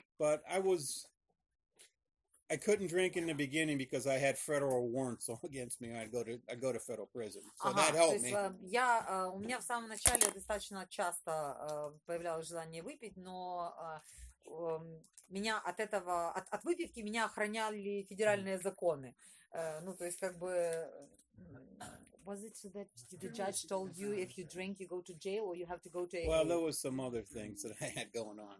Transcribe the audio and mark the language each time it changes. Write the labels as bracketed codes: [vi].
[en] But I couldn't drink in the beginning because I had federal warrants against me. I'd go to federal prison. So that helped me. [ru] У меня в самом начале достаточно часто появлялось желание выпить, но меня от этого, от выпивки меня охраняли федеральные законы. Ну, то есть, как бы... [en] Was it so that the judge told you if you drink, you go to jail, or you have to go to... Well, there was some other things that I had going on.